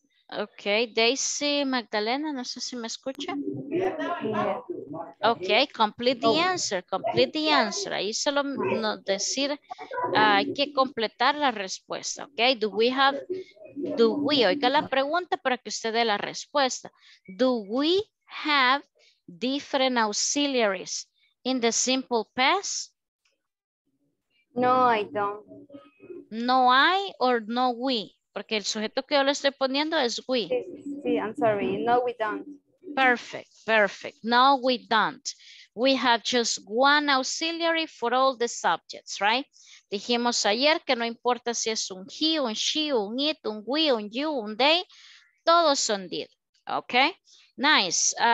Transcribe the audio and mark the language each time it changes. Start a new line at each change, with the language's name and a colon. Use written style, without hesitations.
Spanish: Okay, Daisy Magdalena, no sé si me escucha. Okay,
English: complete the answer.
Spanish: Ahí solo no decir, hay que completar la respuesta, okay?
English: Do we,
Spanish: oiga la pregunta para que usted dé la respuesta.
English: Do we have different auxiliaries in the simple past? No, I don't. No I or no we?
Spanish: Porque el sujeto que yo le estoy poniendo es we.
English: Sí, I'm sorry. No, we don't. Perfect, perfect. No, we don't. We have just one auxiliary for all the subjects, right?
Spanish: Dijimos ayer que no importa si es un he, un she, un it, un we, un you, un they. Todos son did. Okay? Nice.